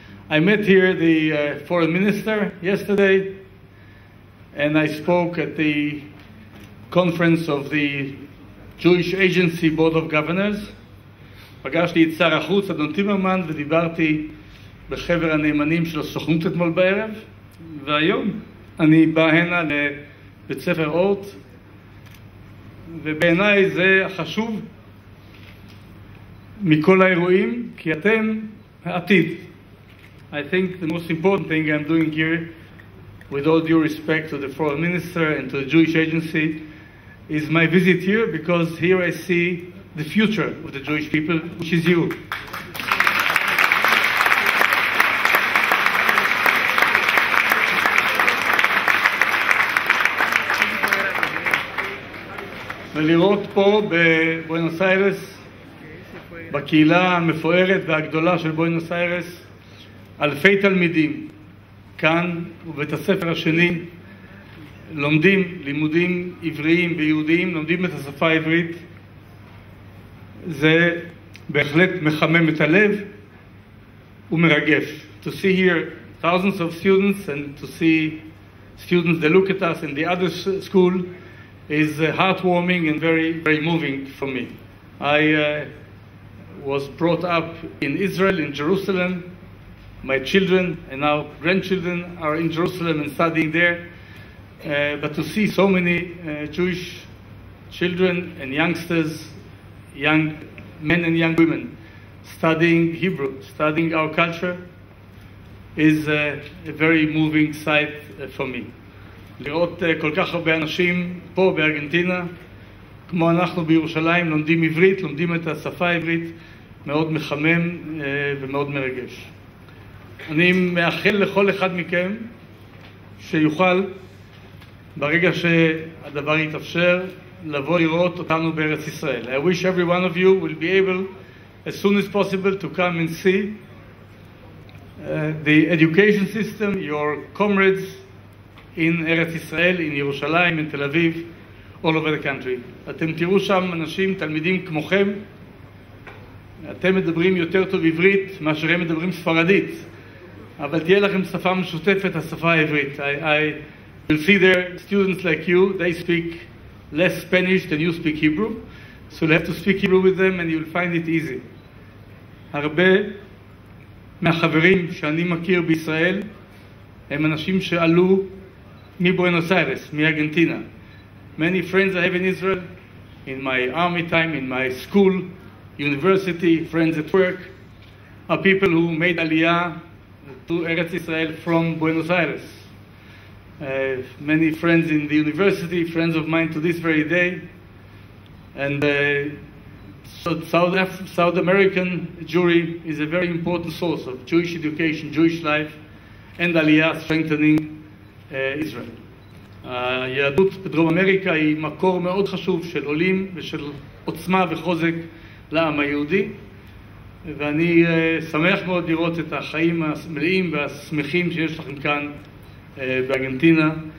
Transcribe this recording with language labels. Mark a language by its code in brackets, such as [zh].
[en] I met here the foreign minister yesterday, and I spoke at the conference of the Jewish Agency Board of Governors. [he] פגשתי את שר החוץ, אדון טימרמן, ודיברתי בחבר הנאמנים של הסוכנות אתמול בערב, והיום אני בא הנה לבית ספר אורט, ובעיניי זה החשוב מכל האירועים, כי אתם העתיד. [en] I think the most important thing I'm doing here, with all due respect to the foreign minister and to the Jewish agency, is my visit here, because here I see the future of the Jewish people, which is you. [he] ולראות פה בבואנוס איירס, בקהילה המפוארת והגדולה של בואנוס איירס, אלפי תלמידים כאן ובית הספר השני לומדים לימודים עבריים ויהודיים, לומדים את השפה העברית, זה בהחלט מחמם את הלב ומרגש. [en] To see here thousands of students and to see students that look at us in the other school is heartwarming and very, very moving for me. I was brought up in Israel, in Jerusalem. My children and our grandchildren are in Jerusalem and studying there. But to see so many Jewish children and youngsters, young men and young women, studying Hebrew, studying our culture, is a very moving sight for me. [he] לראות כל כך הרבה אנשים פה בארגנטינה, כמו אנחנו בירושלים, לומדים עברית, לומדים את השפה העברית, מאוד מחמם ומאוד מרגש. אני מאחל לכל אחד מכם שיוכל, ברגע שהדבר יתאפשר, לבוא לראות אותנו בארץ ישראל. [en] I wish every one of you will be able, as soon as possible, to come and see the education system, your comrades, in Eretz Yisrael, in Yerushalayim, in Tel Aviv, all over the country. [he] אתם תראו שם אנשים, תלמידים כמוכם, אתם מדברים יותר טוב עברית מאשר הם מדברים ספרדית, אבל תהיה לכם שפה משותפת, השפה העברית. [en] I will see there students like you, they speak less Spanish than you speak Hebrew, so you'll have to speak Hebrew with them and you'll find it easy. [he] הרבה מהחברים שאני מכיר בישראל הם אנשים שעלו מבואנוס איירס, מארגנטינה. [en] Many friends I have in Israel, in my army time, in my school, university, friends at work, are people who made Aliyah to Eretz Israel from Buenos Aires. Many friends in the university, friends of mine to this very day, and South American Jewry is a very important source of Jewish education, Jewish life, and Aliyah strengthening Israel. [he] היהדות בדרום אמריקה היא מקור מאוד חשוב של עולים ושל עוצמה וחוזק לעם היהודי, ואני שמח מאוד לראות את החיים המלאים והשמחים שיש לכם כאן בארגנטינה.